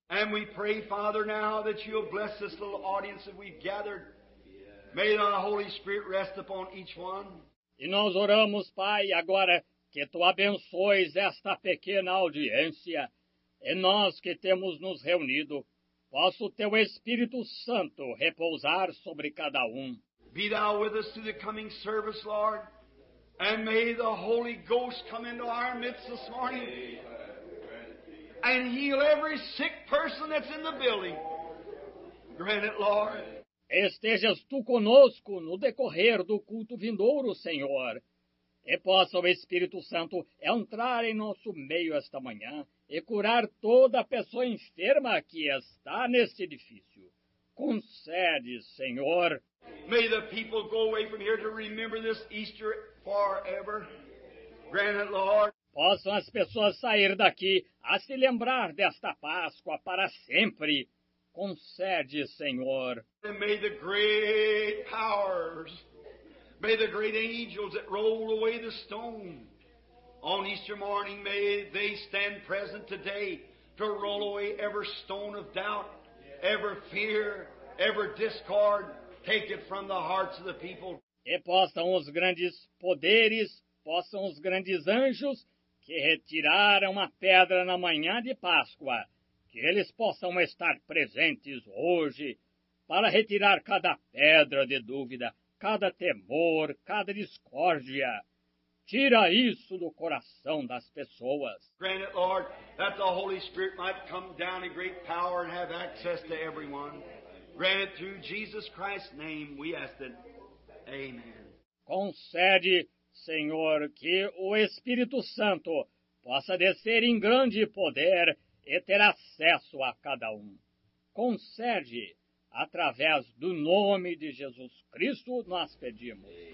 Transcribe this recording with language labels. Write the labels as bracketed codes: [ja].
[en] And we pray, Father, now that you'll bless this little audience that we've gathered. May the Holy Spirit rest upon each one. [pt] E nós oramos, Pai, agora que tu abençoes esta pequena audiência. E nós que temos nos reunido, possa o teu Espírito Santo repousar sobre cada um. [en] Be thou with us to the coming service, Lord. And may the Holy Ghost come into our midst this morning. And heal every sick person that's in the building. Grant it, Lord. [pt] Estejas tu conosco no decorrer do culto vindouro, Senhor. E possa o Espírito Santo entrar em nosso meio esta manhã e curar toda pessoa enferma que está neste edifício. Concede, Senhor. [en] May the people go away from here to remember this Easter forever. Grant it, Lord. [pt] Possam as pessoas sair daqui a se lembrar desta Páscoa para sempre. Concede, Senhor. [en] And may the great powers, may the great angels that roll away the stone on Easter morning, may they stand present today to roll away every stone of doubt, every fear, every discord, take it from the hearts of the people. [pt] E possam os grandes poderes, possam os grandes anjos que retiraram a pedra na manhã de Páscoa, que eles possam estar presentes hoje para retirar cada pedra de dúvida, cada temor, cada discórdia. Tira isso do coração das pessoas. [en] Grant it, Lord, that the Holy Spirit might come down in great power and have access to everyone. Grant it through Jesus Christ's name, we ask it. Amen. [pt] Concede, Senhor, que o Espírito Santo possa descer em grande poder e ter acesso a cada um. Concede, através do nome de Jesus Cristo, nós pedimos.